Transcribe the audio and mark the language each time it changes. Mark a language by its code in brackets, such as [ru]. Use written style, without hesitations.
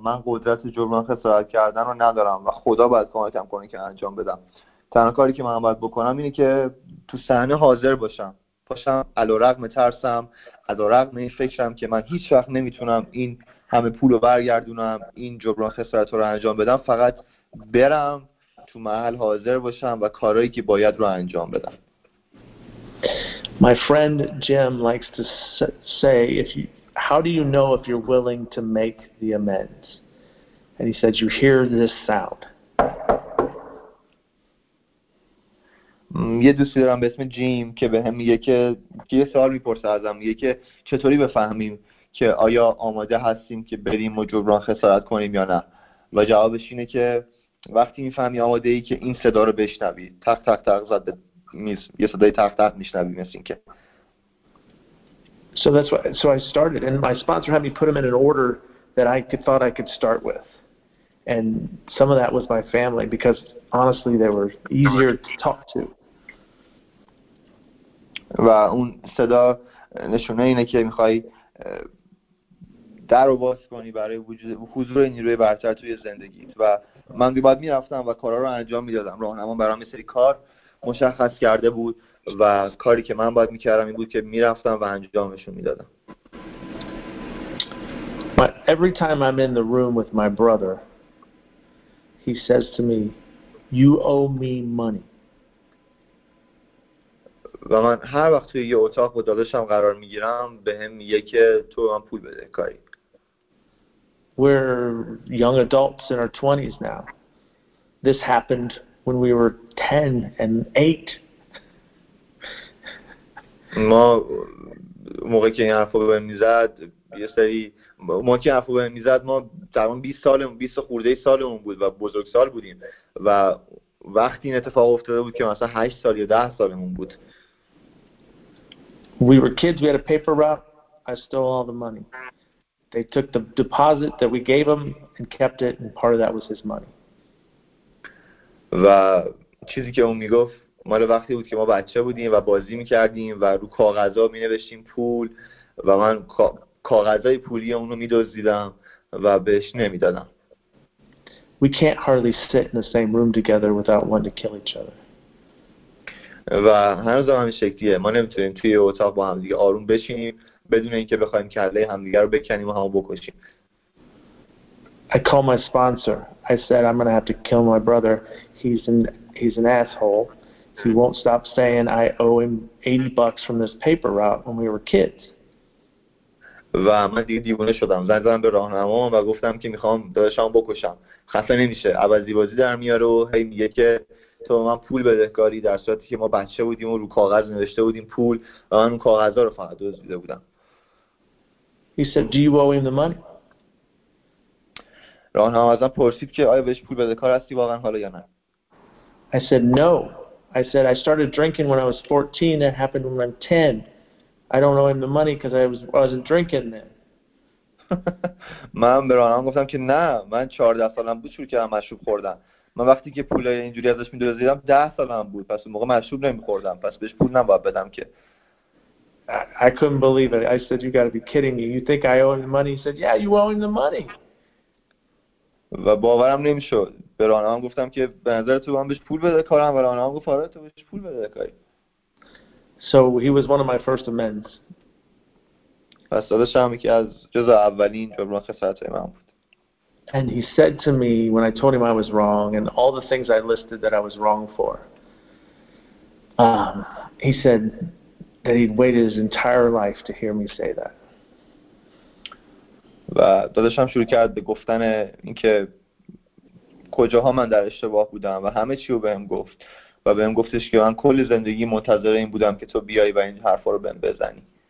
[fa] من قدرت جبران خسارت کردن رو ندارم و خدا باید کمکم کنه که انجام بدم. تنها کاری که من باید بکنم اینه که تو صحنه حاضر باشم. باشم علی‌رغم ترسم، علی‌رغم این فکرم که من هیچ وقت نمیتونم این همه پول رو برگردونم، این جبران خسارت رو انجام بدم، فقط برم تو محل حاضر باشم و کارهایی که باید رو انجام بدم. [en] My friend Jim likes to say, how do you know if you're willing to make the amends? And he said, you hear this sound. [fa] یه دوستی دارم به اسم جیم که به هم میگه که یه سوال میپرسه ازم، میگه که چطوری بفهمیم که آیا آماده هستیم که بریم و جبران خسارت کنیم یا نه؟ و جوابش اینه که وقتی میفهمی آماده ای که این صدا رو بشنوی، تق تق تق زد به میز، یه صدای تق تق میشنوی مثل این که. [en] So that's what, so I started and my sponsor had me put them in an order that I could, thought I could start with. And some of that was my family because honestly they were easier to talk to. [fa] و اون صدا نشونه اینه که میخوای در رو باز کنی برای وجود حضور نیروی برتر توی زندگیت. و من بعد میرفتم و کارها رو انجام میدادم، راهنما برام یه سری کار مشخص کرده بود و کاری که من باید میکردم این بود که میرفتم و انجامشون میدادم. [en] But every time I'm in the room with my brother, he says to me, you owe me money. [fa] و من هر وقت توی یه اتاق با داداشم قرار میگیرم به هم میگه که تو من پول بده کاری. [en] We're young adults in our 20s now. This happened when we were 10 and 8. [fa] ما موقعی که این حرفو به میزد یه سری موقعی که حرفو به میزد ما تقریبا 20 سالمون 20 خورده سالمون بود و بزرگسال بودیم و وقتی این اتفاق افتاده بود که مثلا 8 سال یا 10 سالمون بود. [en] We were kids, we had a paper route, I stole all the money. They took the deposit that we gave them and kept it, and part of that was his money. [fa] و چیزی که اون میگفت مال وقتی بود که ما بچه بودیم و بازی میکردیم و رو کاغذها مینوشتیم پول و من کاغذهای پولی اون رو میدزدیدم و بهش نمیدادم. [en] We can't hardly sit in the same room together without wanting to kill each other. [fa] و هنوز هم همین شکلیه، ما نمیتونیم توی اتاق با همدیگه آروم بشینیم بدون اینکه بخوایم کله همدیگه رو بکنیم و همو بکشیم. [en] I called my sponsor. I said I'm going to have to kill my brother. He's an asshole. He won't stop saying I owe him 80 bucks from this paper route when we were kids. [fa] و من دیگه دیوونه شدم، زنگ زدم به راهنمام و گفتم که میخوام داداشمو بکشم. خسته نمیشه، عوضی بازی در میاره و هی میگه که تو من پول بدهکاری، در صورتی که ما بچه بودیم و رو کاغذ نوشته بودیم پول و من اون کاغذها رو فقط دزدیده بودم. [en] He said, do you owe him the money? [fa] راهنما ازم پرسید که آیا بهش پول بدهکار هستی واقعا حالا یا نه. [en] I said no. I said I started drinking when I was 14. That happened when I was 10. I don't owe him the money because I wasn't drinking then. [fa] من به راهنما گفتم که نه، من 14 سالم بود شروع کردم مشروب خوردن. من وقتی که پولای اینجوری ازش می‌دزدیدم 10 سالم بود، پس اون موقع مشروب نمی‌خوردم، پس بهش پول نباید بدم که. [en] I couldn't believe it. I said you got to be kidding me. You think I owe him the money? He said, "Yeah, you owe him the money." [fa] و باورم نمی‌شد. به راهنمام گفتم که به نظر تو من بهش پول بده کارم، و راهنمام گفت آره تو بهش پول بده کاری. [en] So he was one of my first amends. [fa] پس داداشم یکی از جزء اولین جبران خسارت‌های من بود. [en] And he said to me when I told him I was wrong and all the things I listed that I was wrong for, he said that he'd waited his entire life to hear me say that. [fa] و داداشم شروع کرد به گفتن اینکه کجاها من در اشتباه بودم و همه چی رو بهم گفت و بهم گفتش که من کل زندگی منتظر این بودم که تو بیای و این حرفا رو بهم بزنی.